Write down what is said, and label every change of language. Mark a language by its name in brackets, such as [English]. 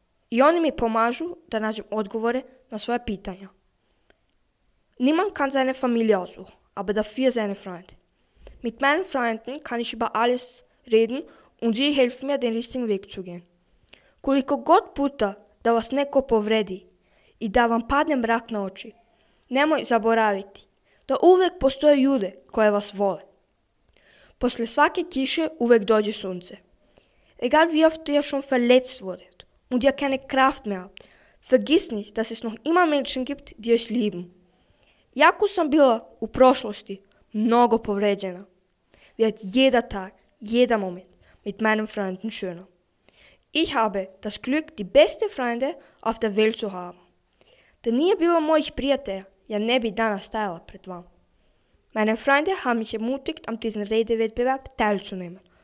[Serbian] I oni mi pomažu da nađem odgovore na svoje pitanja. [German] Niemand kann seine Familie aussuchen, aber dafür seine Freunde. Mit meinen Freunden kann ich über alles reden und sie helfen mir, den richtigen Weg zu gehen. [Serbian] Koliko god puta da vas neko povredi i da vam padne mrak na oči, nemoj zaboraviti da uvek postoje ljude koje vas vole. Posle svake kiše uvek dođe sunce. [German] Egal wie oft ihr schon verletzt wurdet und ihr keine Kraft mehr habt, vergiss nicht, dass es noch immer Menschen gibt, die euch lieben. [Serbian] Jako sam bila u prošlosti mnogo povređena. [German] Wird jeder Tag, jeder Moment mit meinen Freunden schöner. Ich habe das Glück, die beste Freunde auf der Welt zu haben. [Serbian] Da nije bilo mojih prijatelja, ja ne bi danas stajala pred vam. [German] Meine Freunde haben mich ermutigt, am diesen Redewettbewerb teilzunehmen.